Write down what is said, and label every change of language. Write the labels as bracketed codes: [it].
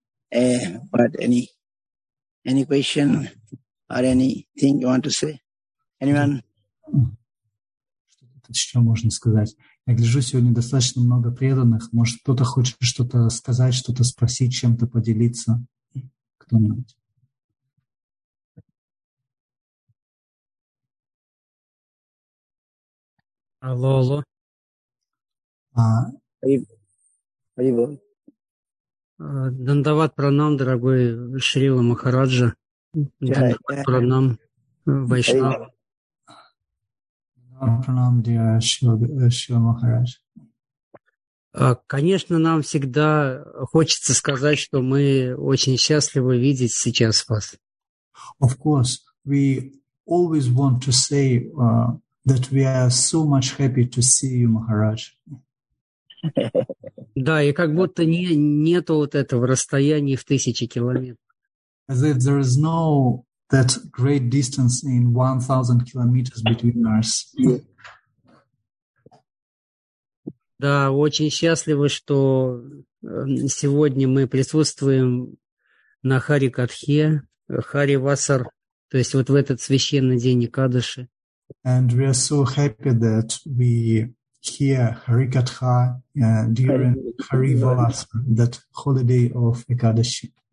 [en] But any question or anything you want to say? Anyone? [ru] Что-то еще можно сказать. Я гляжу, сегодня достаточно много преданных. Может, кто-то хочет что-то сказать, что-то спросить, чем-то поделиться. Кто-нибудь? Алло, алло. Дандават пранам, дорогой Шрила Махараджа. Дандават пранам, Вайшнав. Дандават пранам, дорогой Шрила Махараджа. Конечно, нам всегда хочется сказать, что мы очень счастливы видеть сейчас вас. [en] Of course, we always want to say that we are so much happy to see you, Maharaj. [ru] Да, и как будто нету вот этого расстояния в тысячи километров. [en] As if there is no that great distance in 1,000 kilometers between us. [ru] Да, очень счастливы, что сегодня мы присутствуем на Харикатхе, Хари Васар, то есть вот в этот священный день Экадыши. [en] And we are so happy that we hear Harikatha during Hari Vasar, that holiday of Ekadashi.